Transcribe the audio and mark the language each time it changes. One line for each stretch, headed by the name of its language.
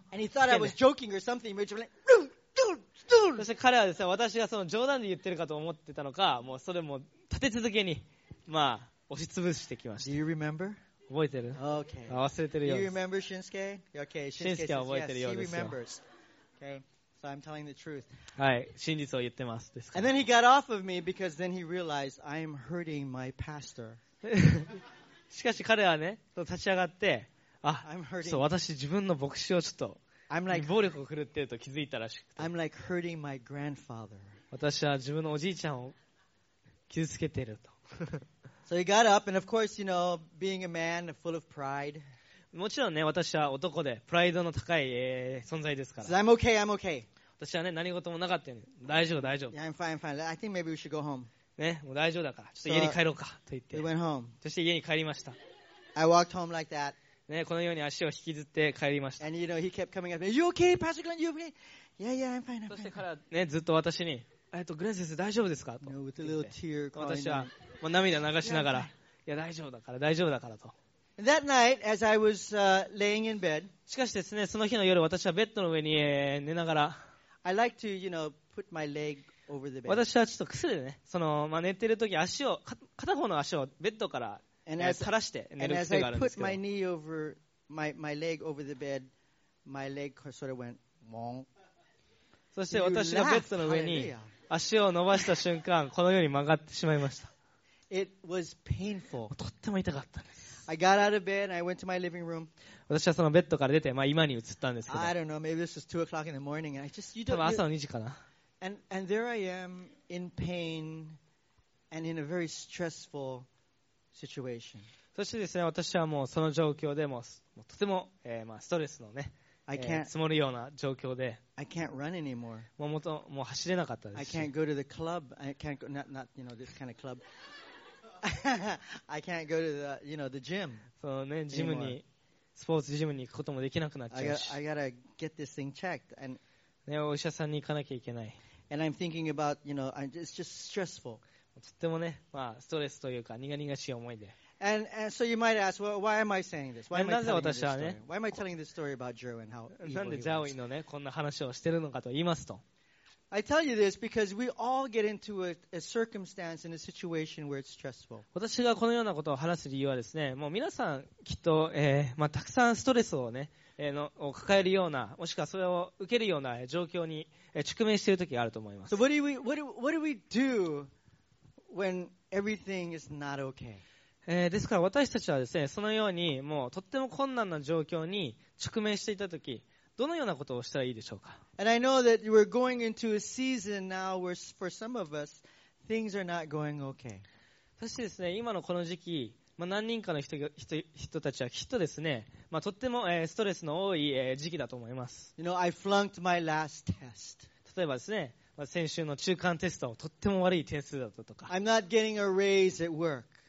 English: And he thought I was joking or something, which was like,
Japanese: そして彼はですね、私がその冗談で言ってるかと思ってたのか、もうそれも立て続けに、まあ、押し潰してきました。
English: Do you remember?
Japanese: 覚えてる
English: ?Okay.
Japanese: 忘れてるよ。
English: Do you remember Shinsuke? Okay,
Japanese: Shinsuke は覚えてるようですよ。
English: Yes, he remembers. Okay, so I'm telling the truth.
Japanese: はい、真実を言ってます。ですから。
English: And then he got off of me because then he realized I'm hurting my pastor.
Japanese: しかし彼はね、立ち上がって、あ、そう、私自分の牧師をちょっと、
English: I'm like,
Japanese: 暴力を振るっていると気づいたらしくて。
English: I'm like hurting my grandfather.
Japanese: 私は自分のおじいちゃんを傷つけていると。
English: So he got up, and of course, you know, being a man full of pride.
Japanese: もちろんね、私は男でプライドの高い、存在ですから。
English: So、I'm okay, I'm okay.
Japanese: 私はね、何事もなかったように、大丈夫、大丈夫。
English: Yeah, I'm fine, I'm fine. I think maybe we should go home.
Japanese: ね、もう大丈夫だから、ちょっと家に帰ろうかと言って。
English: So、we went home.
Japanese: そして家に帰りました。
English: I walked home like that.
Japanese: ね、このように足を引きずって帰りました。
English: And you know, he kept coming up. You okay, Pastor Glenn? You okay? Yeah, yeah, I'm fine.
Japanese: そして彼はね、ずっと私に、グレン先生大丈夫ですかと。
English: No, with a little tear crying.
Japanese: 私は、もう涙流しながら、いや、大丈夫だから、大丈夫だからと。
English: That night, as I was laying in bed,
Japanese: しかしですね、その日の夜、私はベッドの上に、寝ながら、
English: I like to, you know, put my leg over the bed.
Japanese: 私はちょっと癖でね、その、まあ、寝てる時、足を、片方の足をベッドから、
English: And as, put my knee over my leg over the bed, my leg sort of went wrong.
Japanese: そして私がベッドの上に足を伸ばした瞬間、このように曲がってしまいました。
English: It was painful.
Japanese: とっても痛かったんです。
English: I got out of bed and I went to my living room.
Japanese: 私はそのベッドから出て、まあ今に移ったんですけど。
English: I don't know. Maybe this was 2 o'clock in the morning. And I just you don't.
Japanese: 多分朝の2時かな。
English: And there I am in pain and in a very stressfulSituation.
Japanese: そしてですね、私はもうその状況でもうとても、まあ、ストレスのね、積もるような状況で、
English: I can't run anymore.
Japanese: もう走れなかったです。
English: I can't go to the club. I can't go, not you know this kind of club. I can't go to the you know the gym.
Japanese: そのね、ジムに、スポーツジムに行くこともできなくなっちゃうし、
English: I gotta get this thing checked. And
Japanese: ね、お医者さんに行かなきゃいけない。
English: And I'm thinking about you know it's just stressful.
Japanese: とってもね、まあ、ストレスというか苦々しい思いで。
English: And so you might ask, well, why am I saying this? Why am I telling this story? Why am I telling this story about Drew and how evil he was?
Japanese: なんでジャウィンのね、こんな話をしてるのかと言いますと。
English: I tell you this because we all get into a circumstance and a situation where it's stressful.
Japanese: 私がこのようなことを話す理由はですね、もう皆さんきっと、まあ、たくさんストレスをね、を抱えるような、もしくはそれを受けるような状況に、直面しているときがあると思います。
English: So what do we do when everything is not okay?
Japanese: ですから私たちはですね、そのようにもうとっても困難な状況に直面していたとき、どのようなことをしたらいいでしょうか。
English: And I know that we're going into a season now where for some of us, things are not going okay.
Japanese: そしてですね、今のこの時期、まあ、何人かの 人たちはきっとですね、まあ、とってもストレスの多い時期だと思います。
English: You know, I flunked my last test.
Japanese: 例えばですね、まあ、先週の中間テストをとっても悪い点数だったとか。
English: I'm not getting a raise at work.